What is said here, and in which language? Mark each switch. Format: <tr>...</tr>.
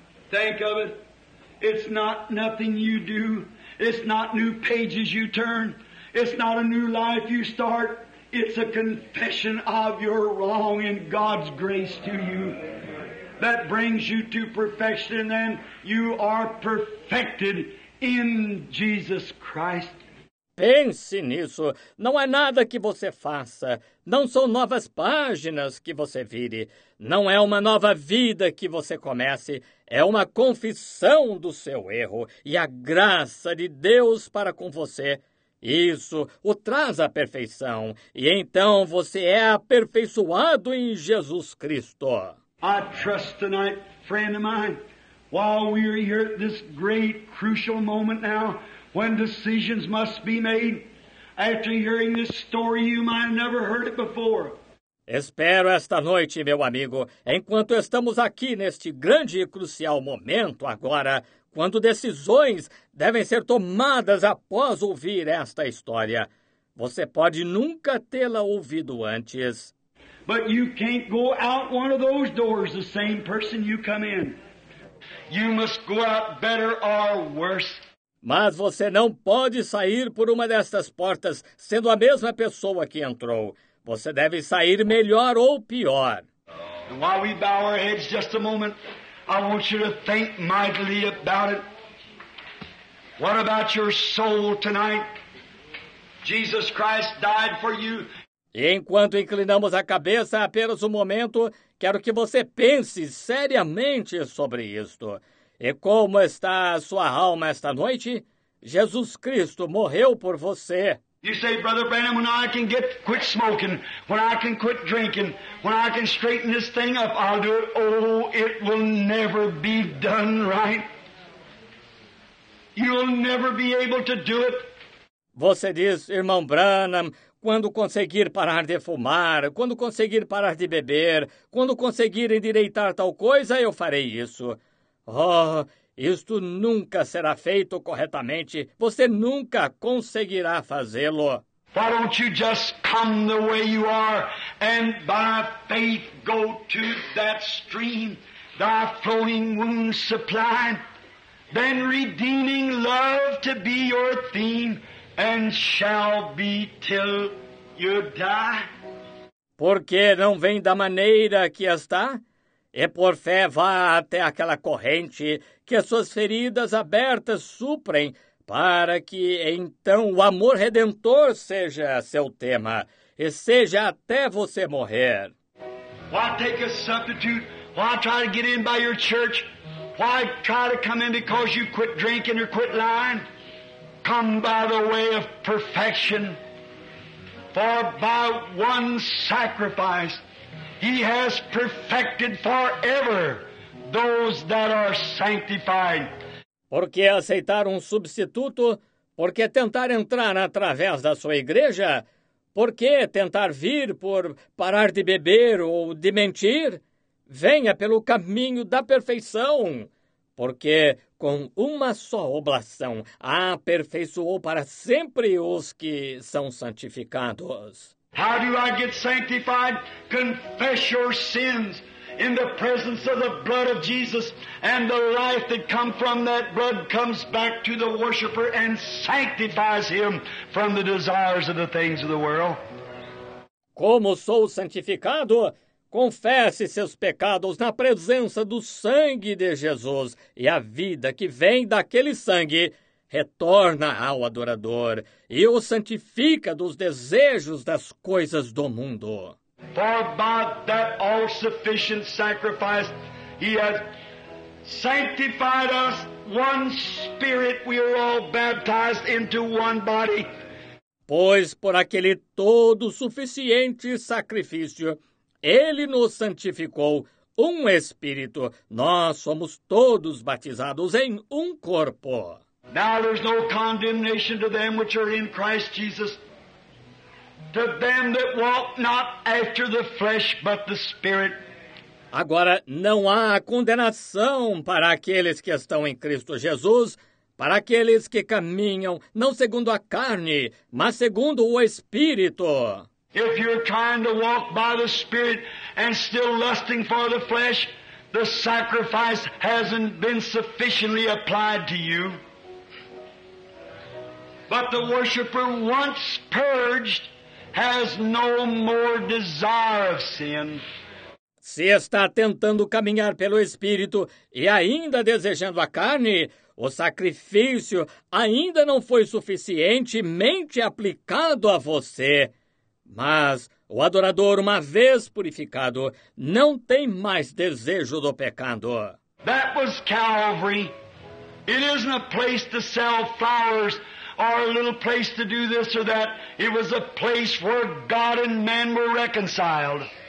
<en>Thank you. It's not nothing you do. It's not new pages you turn. It's not a new life you start. It's a confession of your wrong and God's grace to you. That brings you to perfection and you are perfected in Jesus Christ.</en> <pt>Pense nisso. Não é nada que você faça. Não são novas páginas que você vire. Não é uma nova vida que você comece. É uma confissão do seu erro e a graça de Deus para com você. Isso o traz à perfeição. E então você é aperfeiçoado em Jesus Cristo.</pt> <en>I trust tonight, friend of mine, while we are here at this great crucial moment now, when decisions must be made, after hearing this story, you might have never heard it before.</en> <pt>Espero esta noite, meu amigo, enquanto estamos aqui neste grande e crucial momento agora, quando decisões devem ser tomadas após ouvir esta história. Você pode nunca tê-la ouvido antes.</pt> <en>But you can't go out one of those doors the same person you come in. You must go out better or worse.</en> <pt>Mas você não pode sair por uma destas portas sendo a mesma pessoa que entrou. Você deve sair melhor ou pior.</pt> <en>And while we bow our heads just a moment, I want you to think mightily about it. What about your soul tonight? Jesus Christ died for you.</en> <pt>E enquanto inclinamos a cabeça, apenas um momento, quero que você pense seriamente sobre isto. E como está a sua alma esta noite? Jesus Cristo morreu por você.</pt> <en>You say, Brother Branham, when I can quit smoking, when I can quit drinking, when I can straighten this thing up, I'll do it. Oh, it will never be done right. You'll never be able to do it.</en> <pt>Você diz, irmão Branham, quando conseguir parar de fumar, quando conseguir parar de beber, quando conseguir endireitar tal coisa, eu farei isso. Oh, isto nunca será feito corretamente. Você nunca conseguirá fazê-lo.</pt> <en>Why don't you just come the way you are and by faith go to that stream, thy flowing wound supplied, then redeeming love to be your theme and shall be till you die?</en> <pt>Por que não vem da maneira que está? E por fé vá até aquela corrente que as suas feridas abertas suprem, para que então o amor redentor seja seu tema, e seja até você morrer.</pt> <en>Why take a substitute? Why try to get in by your church? Why try to come in because you quit drinking or quit lying? Come by the way of perfection. For by one sacrifice He has perfected forever those that are sanctified.</en> <pt>Por que aceitar um substituto? Por que tentar entrar através da sua igreja? Por que tentar vir por parar de beber ou de mentir? Venha pelo caminho da perfeição. Porque com uma só oblação aperfeiçoou para sempre os que são santificados.</pt> <en>How do I get sanctified? Confess your sins in the presence of the blood of Jesus, and the life that comes from that blood comes back to the worshiper and sanctifies him from the desires of the things of the world.</en> <pt>Como sou santificado? Confesse seus pecados na presença do sangue de Jesus, e a vida que vem daquele sangue retorna ao adorador e o santifica dos desejos das coisas do mundo.</pt> <en>For by that all-sufficient sacrifice he has sanctified us, one spirit we are all baptized into one body.</en> <pt>Pois por aquele todo suficiente sacrifício, ele nos santificou, um espírito, nós somos todos batizados em um corpo.</pt> <en>Now there's no condemnation to them which are in Christ Jesus, to them that walk not after the flesh but the Spirit.</en> <pt>Agora não há condenação para aqueles que estão em Cristo Jesus, para aqueles que caminham não segundo a carne, mas segundo o Espírito.</pt> <en>If you're trying to walk by the Spirit and still lusting for the flesh, the sacrifice hasn't been sufficiently applied to you. But the worshiper, once purged, has no more desire of sin.</en> <pt>Se está tentando caminhar pelo Espírito e ainda desejando a carne, o sacrifício ainda não foi suficientemente aplicado a você. Mas o adorador, uma vez purificado, não tem mais desejo do pecado.</pt> <en>That was Calvary. It isn't a place to sell flowers or a little place to do this or that. It was a place where God and man were reconciled.</en>